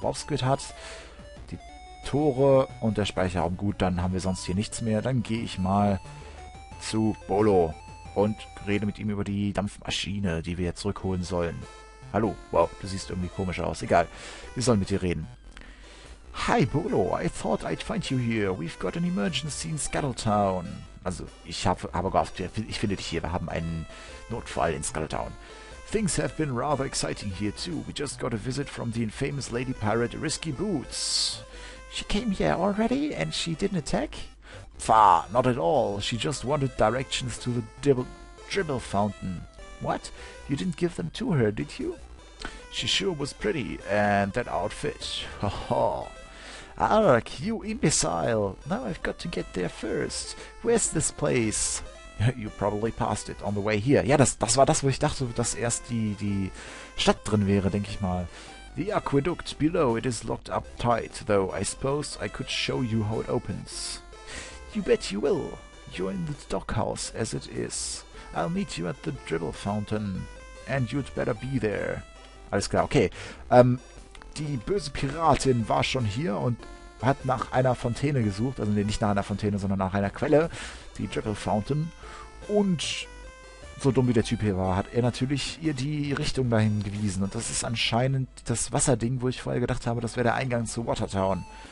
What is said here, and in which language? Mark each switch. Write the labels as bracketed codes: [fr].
[de] Bob Squid hat die Tore und der Speicherraum. Gut, dann haben wir sonst hier nichts mehr. Dann gehe ich mal zu Bolo und rede mit ihm über die Dampfmaschine, die wir jetzt zurückholen sollen. Hallo. Wow, du siehst irgendwie komisch aus. Egal. Wir sollen mit dir reden. [en] Hi, Bolo. I thought I'd find you here. We've got an emergency in Scuttletown. [de] Also, ich habe gehofft, ich finde dich hier. Wir haben einen Notfall in Skulltown. [en] Things have been rather exciting here, too. We just got a visit from the infamous lady pirate Risky Boots. She came here already and she didn't attack? Pah, not at all. She just wanted directions to the dribble fountain. What? You didn't give them to her, did you? She sure was pretty. And that outfit. Ho ho. Ark, you imbecile! Now I've got to get there first. Where's this place? You probably passed it on the way here. [de] Ja, das war das, wo ich dachte, dass erst die Stadt drin wäre, denke ich mal. [en] The aqueduct below, it is locked up tight, though I suppose I could show you how it opens. You bet you will. You're in the dockhouse as it is. I'll meet you at the dribble fountain. And you'd better be there. [de] Alles klar, okay. Die böse Piratin war schon hier und hat nach einer Fontäne gesucht. Also nicht nach einer Fontäne, sondern nach einer Quelle. Die Dribble Fountain. Und so dumm wie der Typ hier war, hat er natürlich ihr die Richtung dahin gewiesen. Und das ist anscheinend das Wasserding, wo ich vorher gedacht habe, das wäre der Eingang zu Watertown.